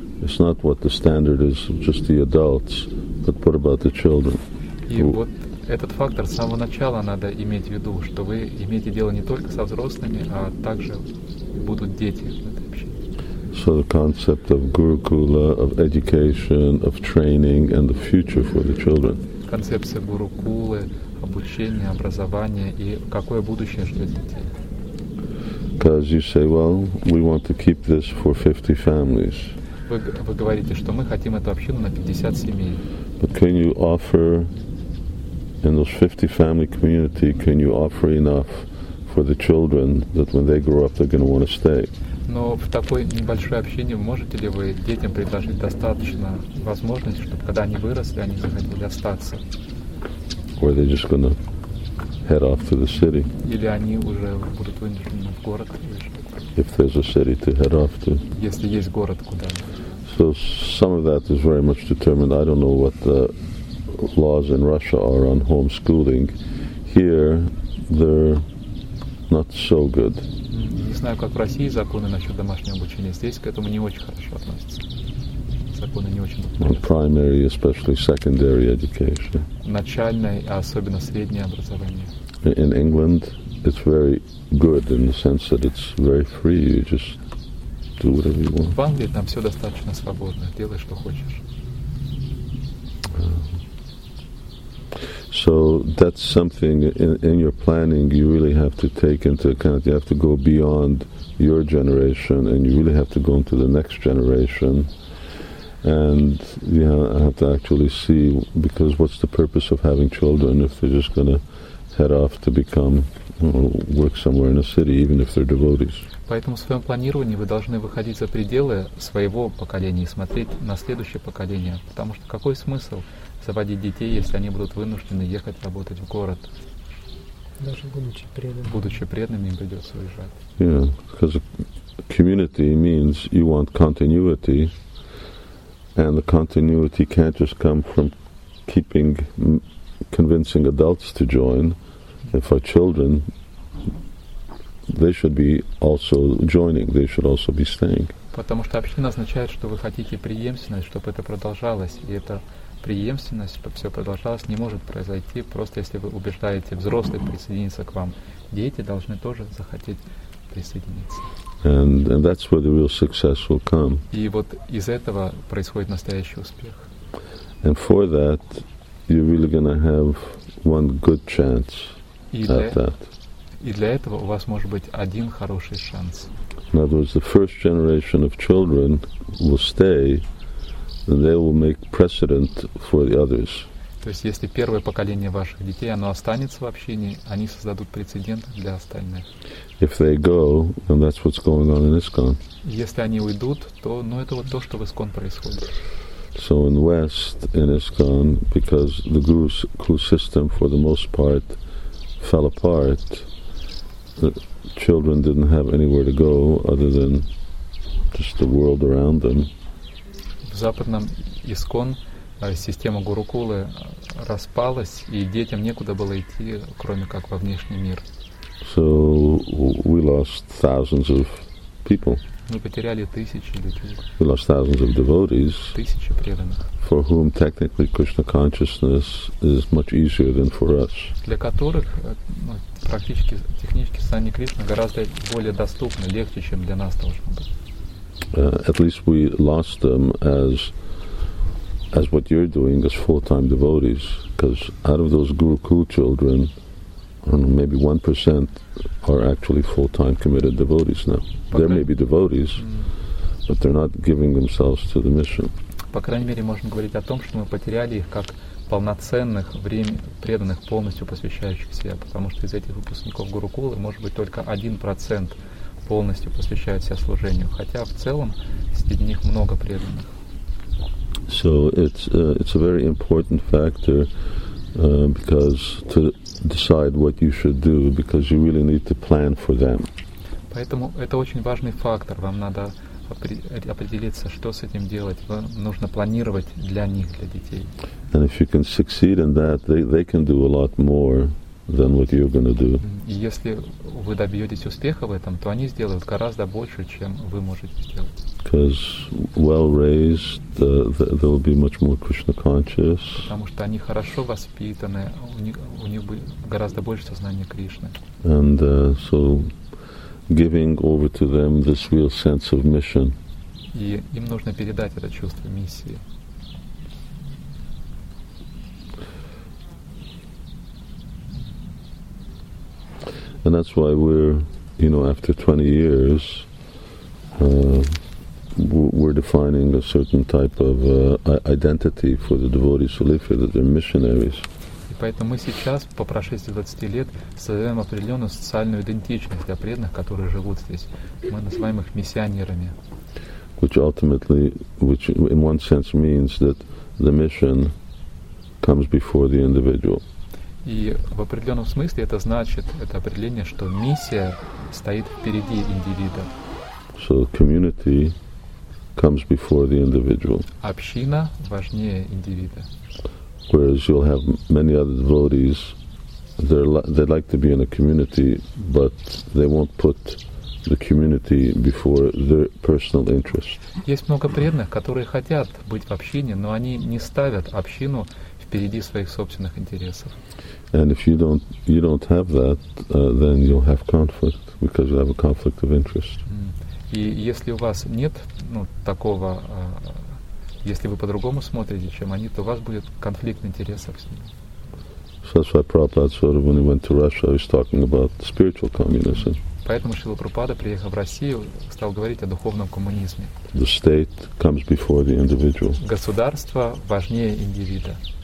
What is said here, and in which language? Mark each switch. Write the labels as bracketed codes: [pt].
[en] It's not what the standard is, just the adults, but what about the children? [ru] И вот этот фактор с самого начала надо иметь в виду, что вы имеете дело не только со взрослыми, а также будут дети. [en] So the concept of Gurukula, of education, of training, and the future for the children. [ru] Концепция Гурукулы, обучение, образование и какое будущее ждет детей. [en] Because you say, well, we want to keep this for 50 families. [ru] Вы говорите, что мы хотим эту общину на 50 семей. [en] But can you offer in those 50 family community, can you offer enough for the children that when they grow up they're going to want to stay? [ru] Но в такой небольшой общине можете ли вы детям предложить достаточно возможностей, чтобы когда они выросли, они захотели остаться? [en] Or they're just going to head off to the city. [ru] Или они уже будут вынуждены в город выезжать. [en] If there's a city to head off to. [ru] Если есть город, куда. [en] So some of that is very much determined. I don't know what the laws in Russia are on homeschooling. Here, they're not so good. [ru] Не знаю, как в России законы насчет домашнего обучения. Здесь к этому не очень хорошо относятся. Законы не очень популярны. [en] Primary, especially secondary education. [ru] Начальное, а особенно среднее образование. [en] In England, it's very good in the sense that it's very free. You just do whatever you want. [ru] В Англии там все достаточно свободно. Делай, что хочешь. [en] So that's something in your planning you really have to take into account. You have to go beyond your generation and you really have to go into the next generation. And you have to actually see, because what's the purpose of having children if they're just going to head off to become work somewhere in a city, even if they're devotees. [ru] Поэтому в своем планировании вы должны выходить за пределы своего поколения и смотреть на следующее поколение, потому что какой смысл заводить детей, если они будут вынуждены ехать работать в город? Даже будучи преданными. Будучи преданными, им придется уезжать. [en] Yeah, because community means you want continuity, and the continuity can't just come from keeping convincing adults to join. If our children, they should be also joining, they should also be staying. [ru] Потому что община означает, что вы хотите преемственность, чтобы это продолжалось, и это преемственность, чтобы все продолжалось, не может произойти просто если вы убеждаете взрослых присоединиться к вам. Дети должны тоже захотеть присоединиться. [en] And that's where the real success will come. [ru] И вот из этого происходит настоящий успех. [en] And for that, you're really going to have one good chance at that. [ru] И для этого у вас может быть один хороший шанс. [en] In other words, the first generation of children will stay. They will make precedent for the others. [ru] То есть, если первое поколение ваших детей, оно останется в общине, они создадут прецедент для остальных. [en] If they go, then that's what's going on in ISKCON. [ru] Если они уйдут, то, ну, это вот то, что в ISKCON происходит. [en] So in West, in ISKCON, because the Guru's clue system, for the most part, fell apart, the children didn't have anywhere to go other than just the world around them. [ru] В западном ИСКОН система Гурукулы распалась, и детям некуда было идти, кроме как во внешний мир. [en] So we lost thousands of people. [ru] Мы потеряли тысячи людей. [en] We lost thousands of devotees. [ru] Тысячи преданных. [en] For whom technically Krishna consciousness is much easier than for us. [ru] Для которых практически технически сознание Кришны гораздо более доступно, легче, чем для нас должно быть. [en] At least we lost them as what you're doing as full-time devotees, because out of those Gurukul children, I don't know, maybe 1% are actually full-time committed devotees now. There may be devotees, but they're not giving themselves to the mission. [ru] По крайней мере, можно говорить о том, что мы потеряли их как полноценных время преданных полностью посвящающих себя, потому что из этих выпускников Гурукулы может быть только 1%. Полностью посвящают себя служению, хотя в целом среди них много преданных. [en] So it's a very important factor because to decide what you should do, because you really need to plan for them. [ru] Поэтому это очень важный фактор. Вам надо определиться, что с этим делать. Вам нужно планировать для них, для детей. [en] And if you can succeed in that, they can do a lot more than what you're going to do. [ru] Если вы добьетесь успеха в этом, то они сделают гораздо больше, чем вы можете сделать. [en] Because well raised, they will be much more Krishna conscious. [ru] Потому что они хорошо воспитаны, у них гораздо больше сознания Кришны. [en] And so giving over to them this real sense of mission. [ru] И им нужно передать это чувство миссии. [en] And that's why we're, you know, after 20 years, we're defining a certain type of identity for the devotees who live here, that they're missionaries. [ru] И поэтому мы сейчас, по прошествии 20 лет, создаем определенную социальную идентичность для преданных, которые живут здесь. Мы называем их миссионерами. [en] Which ultimately, which in one sense means that the mission comes before the individual. [ru] И в определенном смысле это значит, это определение, что миссия стоит впереди индивида. [en] So community comes before the individual. [ru] Община важнее индивида. [en] Whereas you'll have many other devotees, they'd like to be in a community, but they won't put the community before their personal interest. [ru] Есть много преданных, которые хотят быть в общине, но они не ставят общину впереди своих собственных интересов. [en] And if you don't have that, then you'll have conflict, because you have a conflict of interest. Mm. [ru] И если у вас нет, ну, такого, если вы по-другому смотрите, чем они, то у вас будет конфликт интересов с ними. [en] So that's why Prabhupada, sort of, when he went to Russia, he was talking about spiritual communism. [ru] Поэтому Шрила Прабхупада, приехав в Россию, стал говорить о духовном коммунизме. [en] The state comes before the individual. [ru] Государство важнее индивида.